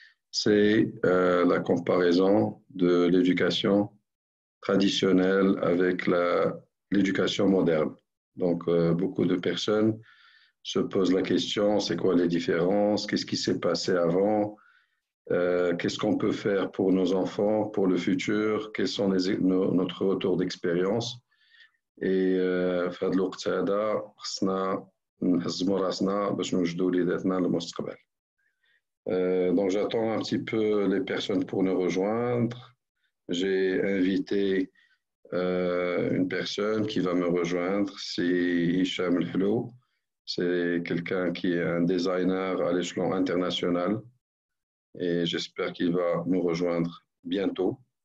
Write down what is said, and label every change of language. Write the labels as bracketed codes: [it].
[fr] C'est la comparaison de l'éducation traditionnelle avec l'éducation moderne. Donc, beaucoup de personnes se posent la question, c'est quoi les différences? Qu'est-ce qui s'est passé avant? Qu'est-ce qu'on peut faire pour nos enfants, pour le futur? Quels sont notre retour d'expérience? [ar] Et فهاد الوقت هذا خصنا نهزمو راسنا باش نوجدو وليداتنا للمستقبل. [fr] Donc j'attends un petit peu les personnes pour nous rejoindre. J'ai invité une personne qui va me rejoindre, c'est Hicham Lhlou. C'est quelqu'un qui est un designer à l'échelon international et j'espère qu'il va nous rejoindre bientôt.